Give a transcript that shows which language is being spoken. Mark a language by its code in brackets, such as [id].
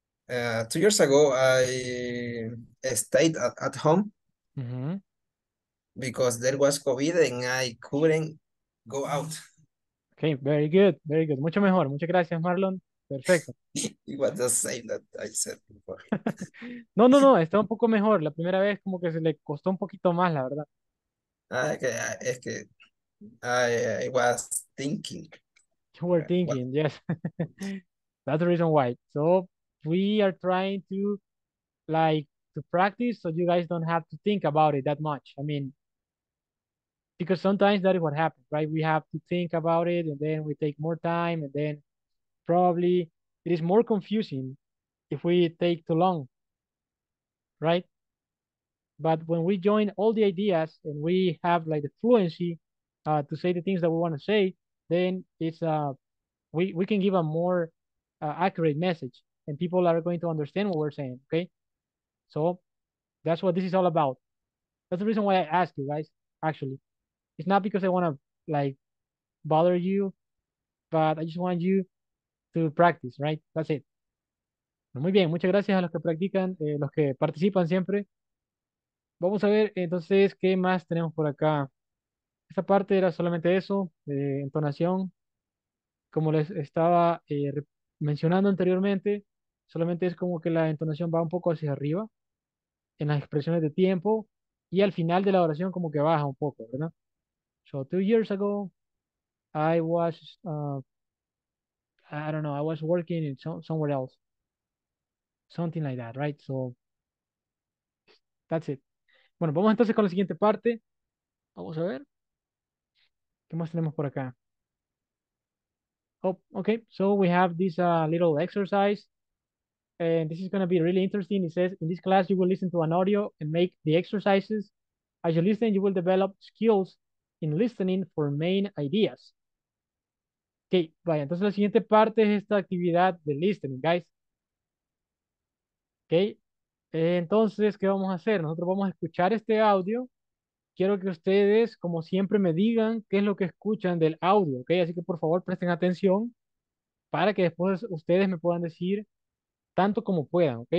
[en] 2 years ago, I stayed at home mm-hmm. because there was COVID and I couldn't go out. Okay, very good. Very good. [es] Mucho mejor. Muchas gracias, Marlon. Perfecto. [en] It was the same that I said before. [es] No, no, no. Está un poco mejor. La primera vez como que se le costó un poquito más, la verdad. [en] Okay, [es] es que [en] I was thinking. You were thinking, what? Yes. That's the reason why. So we are trying to like to practice so you guys don't have to think about it that much. I mean, because sometimes that is what happens, right? We have to think about it and then we take more time and then probably it is more confusing if we take too long, right? But when we join all the ideas and we have like the fluency to say the things that we want to say, then it's we can give a more accurate message and people are going to understand what we're saying, okay? So that's what this is all about. That's the reason why I ask you guys, actually. It's not because I want to like bother you, but I just want you to practice, right? That's it. [es] Muy bien, muchas gracias a los que practican, los que participan siempre. Vamos a ver entonces qué más tenemos por acá. Esta parte era solamente eso, entonación. Como les estaba mencionando anteriormente, solamente es como que la entonación va un poco hacia arriba en las expresiones de tiempo y al final de la oración como que baja un poco, ¿verdad? [en] So 2 years ago, I was, I don't know, I was working in somewhere else. Something like that, right? So that's it. [es] Bueno, vamos entonces con la siguiente parte. Vamos a ver. ¿Qué más tenemos por acá? Oh, okay. [en] So we have this little exercise. And this is going to be really interesting. It says, in this class, you will listen to an audio and make the exercises. As you listen, you will develop skills in listening for main ideas. [es] Okay, vaya. Entonces la siguiente parte es esta actividad de listening, guys. Okay. Entonces, ¿qué vamos a hacer? Nosotros vamos a escuchar este audio. Quiero que ustedes, como siempre, me digan qué es lo que escuchan del audio, ¿ok? Así que, por favor, presten atención para que después ustedes me puedan decir tanto como puedan, ¿ok?